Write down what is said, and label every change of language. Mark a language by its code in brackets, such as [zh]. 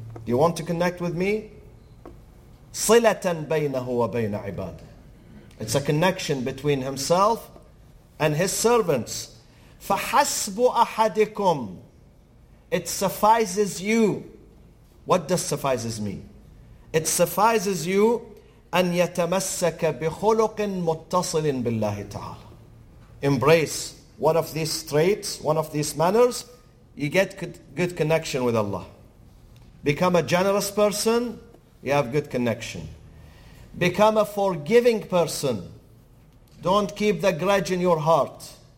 [en] Do you want to connect with me? [ar] صِلَةً بَيْنَهُ وَبَيْنَ عِبَادِهِ. [en] It's a connection between Himself and His servants. [ar] فَحَسْبُ أَحَدِكُمْ. [en] It suffices you. What does suffices mean? It suffices you [ar] أَنْ يَتَمَسَّكَ بِخُلُقٍ مُتَّصِلٍ بِاللَّهِ تَعَالَى. [en] Embrace one of these traits, one of these manners, you get good connection with Allah. Become a generous person, you have good connection. Become a forgiving person. Don't keep the grudge in your heart.